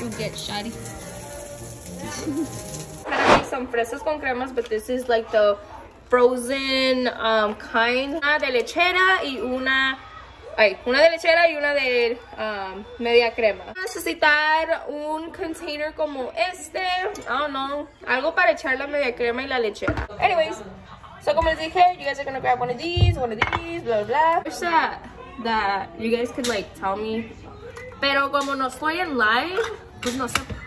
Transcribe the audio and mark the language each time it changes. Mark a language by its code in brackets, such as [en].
[en] You get shoddy. I make some fresas con cremas, but this is like the frozen kind. [es] Una de lechera y una. Ay, una de lechera y una de media crema. Voy a necesitar un container como este. [en] I don't know. [es] Algo para echar la media crema y la lechera. [en] Anyways, so [es] como les dije, [en] you guys are gonna grab one of these, blah, blah. I wish that you guys could like tell me. [es] Pero como no estoy en live, pues no sé.